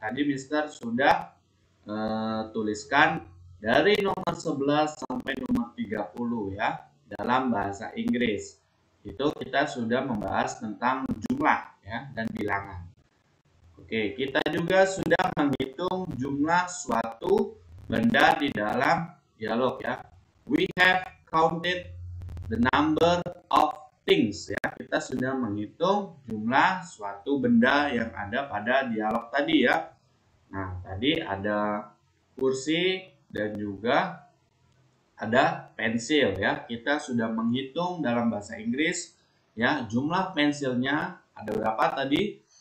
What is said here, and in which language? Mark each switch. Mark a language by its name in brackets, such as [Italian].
[Indonesian] Tadi Mister sudah tuliskan dari nomor 11 sampai nomor 30 ya dalam bahasa Inggris. Itu kita sudah membahas tentang jumlah ya dan bilangan. Oke, kita juga sudah menghitung jumlah suatu benda di dalam dialog ya. [English] We have counted the number of things ya. [Indonesian] Kita sudah menghitung jumlah suatu benda yang ada pada dialog tadi ya. Nah, tadi ada kursi dan juga ada pensil ya. Kita sudah menghitung dalam bahasa Inggris ya, jumlah pensilnya ada berapa tadi?